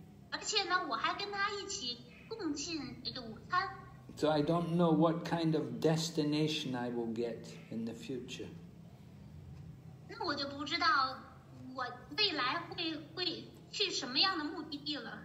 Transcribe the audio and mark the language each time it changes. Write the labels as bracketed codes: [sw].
[zh] 而且呢，我还跟他一起共进这个午餐。 [en] So I don't know what kind of destination I will get in the future. [zh] 那我就不知道我未来会去什么样的目的地了。